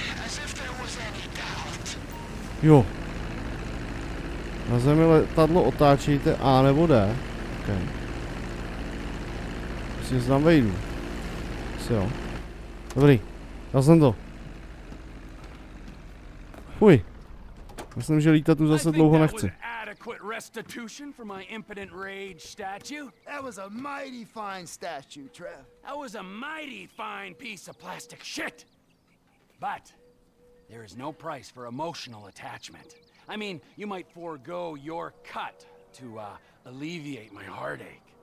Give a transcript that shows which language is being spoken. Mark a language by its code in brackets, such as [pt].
[en] As if there was any doubt. Jo. [cs] Na zemi letadlo otáčíte A nebo D. Okay. Myslím, že tam vejdu. Jo. Dobrý. Já jsem to. Fuj. Myslím, že lítat tu zase dlouho nechci. [en] adequate restitution for my impotent rage statue? That was a mighty fine statue, Trev. That was a mighty fine piece of plastic shit. But there is no price for emotional attachment. I mean, you might forego your cut to alleviate my heartache.